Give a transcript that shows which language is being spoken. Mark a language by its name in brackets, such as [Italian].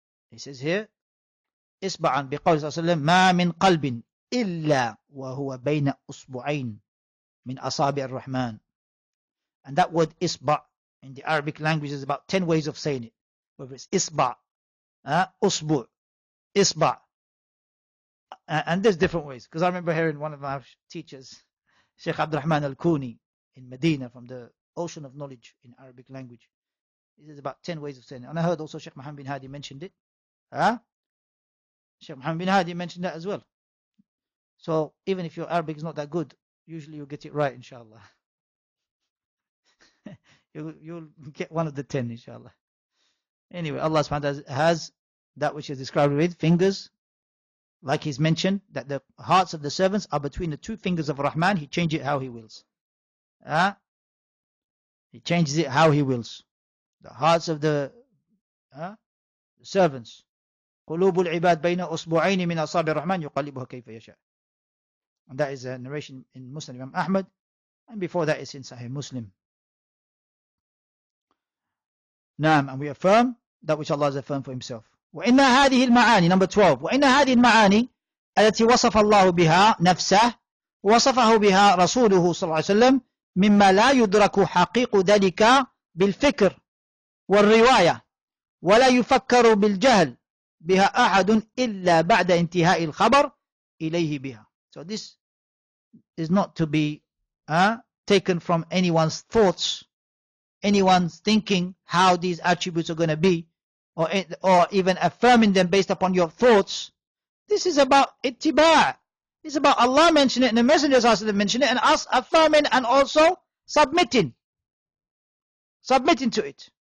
[English] He says here, [Arabic] إِصْبَعًا بِقَوْلِ صَلَّى اللَّهُ عَلَيْهِ وَسَلَّمَ مَا مِنْ قَلْبٍ إِلَّا وَهُوَ بَيْنَ أُصْبُعَيْنِ من أصابع الرحمن. [English] And that word إصبع in the Arabic language is about 10 ways of saying it. Whether it's إصبع, أصبع, إصبع. And there's different ways. Because I remember hearing one of my teachers, Sheikh Abd al-Rahman al-Kuni in Medina from the Ocean of Knowledge in Arabic language. It is about 10 ways of saying it. And I heard also Sheikh Muhammad bin Hadi mentioned it. Sheikh Muhammad bin Hadi mentioned that as well. So even if your Arabic is not that good, usually you'll get it right, inshallah. you'll get one of the 10, inshallah. Anyway, Allah subhanahu wa ta'ala has that which is described with fingers, like he's mentioned, that the hearts of the servants are between the two fingers of Rahman. He changes it how he wills. He changes it how he wills. The hearts of the servants. [Arabic] قلوب العباد بين أصبعين من أصابع الرحمن يقلبها كيف يشاء. [English] And that is a narration in Muslim Imam Ahmad. And before that is in Sahih Muslim. [Arabic] نعم. [English] And we affirm that which Allah has affirmed for himself. [Arabic] وإن هذه المعاني, [English] number 12, [Arabic] وإن هذه المعاني التي وصف الله بها نفسه وصفه بها رسوله صلى الله عليه وسلم مما لا يدرك حقيق ذلك بالفكر والرواية ولا يفكر بالجهل بها أحد إلا بعد انتهاء الخبر إليه بها. [English] So this is not to be taken from anyone's thoughts, anyone's thinking how these attributes are going to be, or even affirming them based upon your thoughts. This is about ittiba'. It's about Allah mentioning it and the messengers also mentioning it and us affirming and also submitting to it.